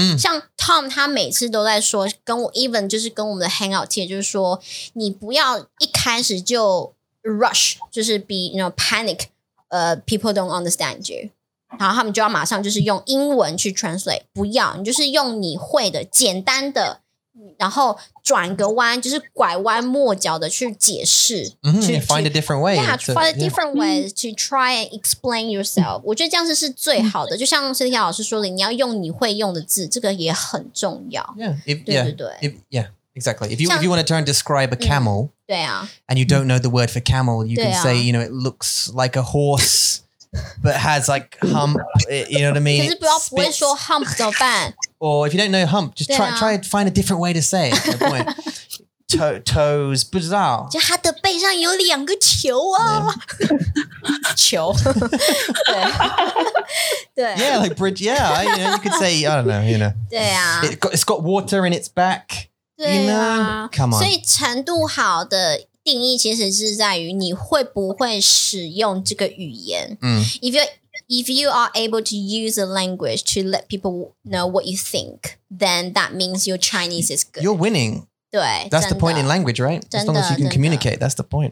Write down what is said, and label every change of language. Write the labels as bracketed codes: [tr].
[zh] 像 Tom 他每次都在说跟我 even 就是跟我们的 hangout team 就是说你不要一开始就 rush, 就是 [en] be, you know, panic, people don't understand you. [zh] 然后他们就要马上就是用英文去 translate, 不要，你就是用你会的简单的然后转个弯，就是拐弯抹角的去解释， [en] find a different way. Yeah, find a different way to try and explain yourself. [zh] 我觉得这样子是最好的。就像Cynthia老师说的，你要用你会用的字，这个也很重要。 [en] Yeah, if, [zh] 对不对？ [en] Exactly. If you want to try and describe a camel, and you don't know the word for camel, you can say, you know, it looks like a horse, but has like hump, you know what I mean? [zh] 可是不会说 hump 怎么办？ [en] Or if you don't know hump, just try to find a different way to say it. No point. Toes, [zh] 不知道。就他的背上有两个球啊。球。对。 [en] Yeah, like bridge, you know, you could say, I don't know, you know. [zh] 对啊。 [en] It's got water in its back. [zh] 对啊。 [en] You know? Come on. [zh] 所以程度好的定义其实是在于你会不会使用这个语言。 [en] If you are able to use a language to let people know what you think, then that means your Chinese is good. You're winning. [zh] 对, [en] that's the point in language, right? As long as you can communicate, that's the point.